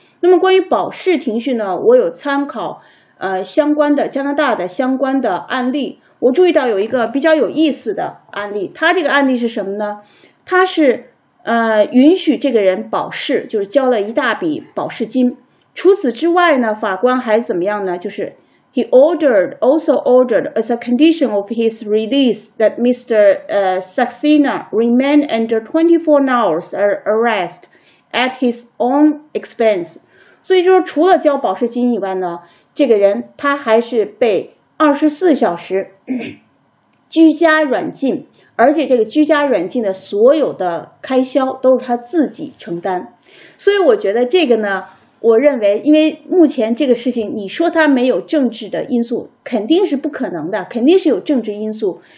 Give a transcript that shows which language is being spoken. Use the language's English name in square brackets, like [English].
[Chinese] 那么关于保释庭讯呢，我有参考相关的加拿大的相关的案例，我注意到有一个比较有意思的案例。他这个案例是什么呢，他是允许这个人保释，就是交了一大笔保释金。除此之外呢法官还怎么样呢，就是 he ordered also ordered as a condition of his release that Mr. [English] Saxena remain under 24 hours arrest at his own expense。 [Chinese] 所以就是除了交保释金以外呢，这个人他还是被24小时居家软禁，而且这个居家软禁的所有的开销都是他自己承担。所以我觉得这个呢，我认为因为目前这个事情你说他没有政治的因素肯定是不可能的，肯定是有政治因素。